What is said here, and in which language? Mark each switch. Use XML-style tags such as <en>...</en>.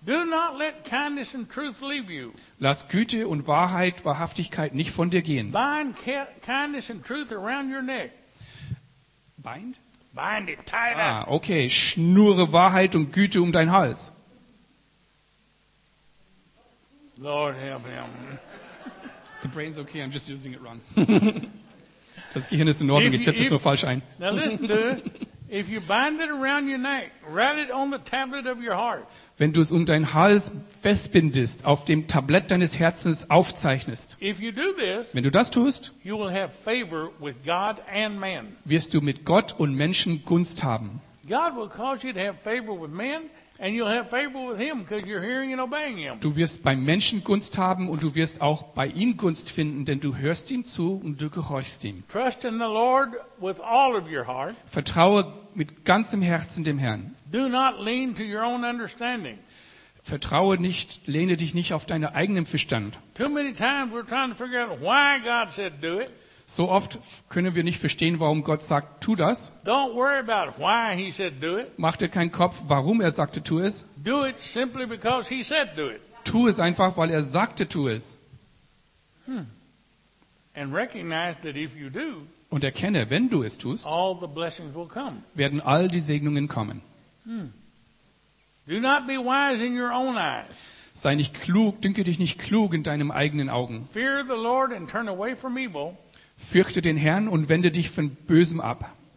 <en>Do not let kindness and truth leave you.</en> <de>Lass Güte und Wahrheit, Wahrhaftigkeit nicht von dir gehen.</de> <en>Bind kindness and truth around your neck. Bind? Bind it tighter.</en> <de>Ah, okay. Schnure Wahrheit und Güte um deinen Hals.</de> <en>Lord help him. The brain's okay, I'm just using it wrong.</en> <de>Das Gehirn ist in Ordnung, ich setze es nur falsch ein.</de> <en>Now listen to it. If you bind it around your neck, write it on the tablet of your heart.</en> <de>Wenn du es um deinen Hals festbindest, auf dem Tablett deines Herzens aufzeichnest.</de> <en>If you do this,</en> <de>wenn du das tust,</de> <en>you will have favor with God and man.</en> <de>Wirst du mit Gott und Menschen Gunst haben.</de> <en>God will cause you to have favor with men, and you'll have favor with him because you're hearing and obeying him.</en> <de>Du wirst beim Menschen Gunst haben und du wirst auch bei ihm Gunst finden, denn du hörst ihm zu und du gehorchst ihm.</de> <en>Trust in the Lord with all of your heart.</en> <de>Vertraue mit ganzem Herzen dem Herrn.</de> <en>Do not lean to your own understanding.</en> <de>Vertraue nicht, lehne dich nicht auf deinen eigenen Verstand.</de> <en>Too many times we're trying to figure out why God said do it.</en> <de>So oft können wir nicht verstehen, warum Gott sagt, tu das.</de> <en>Don't worry about why he said, do it.</en> <de>Mach dir keinen Kopf, warum er sagte, tu es.</de> <en>Do it simply because he said, do it.</en> <de>Tu es einfach, weil er sagte, tu es.</de> <en>And recognize that if you do,</en> <de>und erkenne, wenn du es tust,</de> <en>all the blessings will come.</en> <de>Werden all die Segnungen kommen.</de> <en>Do not be wise in your own eyes.</en> <de>Sei nicht klug, dünke dich nicht klug in deinen eigenen Augen.</de> <en>Fear the Lord and turn away from evil.</en> <de>Fürchte den Herrn und wende dich von Bösem ab.</de>